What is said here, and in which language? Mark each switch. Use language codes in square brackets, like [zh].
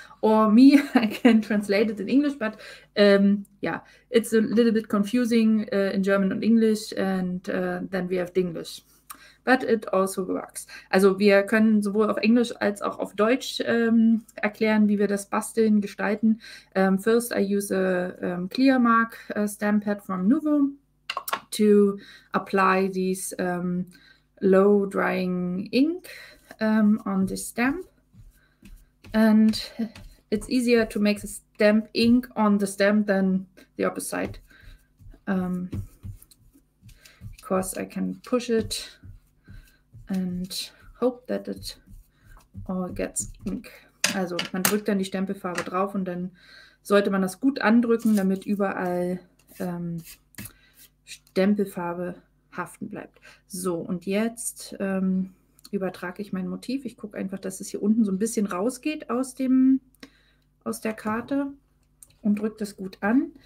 [en] Or me, I can translate it in English, but yeah, it's a little bit confusing in German und English and then we have English. But it also works. [de] Also wir können sowohl auf Englisch als auch auf Deutsch erklären, wie wir das basteln, gestalten. [en] First I use a clear mark stamp pad from Nuvo to apply these low drying ink on the stamp. And it's easier to make the damp ink on the stem than the opposite side. Because I can push it and hope that it all gets ink. [de] Also man drückt dann die Stempelfarbe drauf und dann sollte man das gut andrücken, damit überall Stempelfarbe haften bleibt. So, und jetzt übertrage ich mein Motiv. Ich gucke einfach, dass es hier unten so ein bisschen rausgeht aus der Karte und drücke das gut an.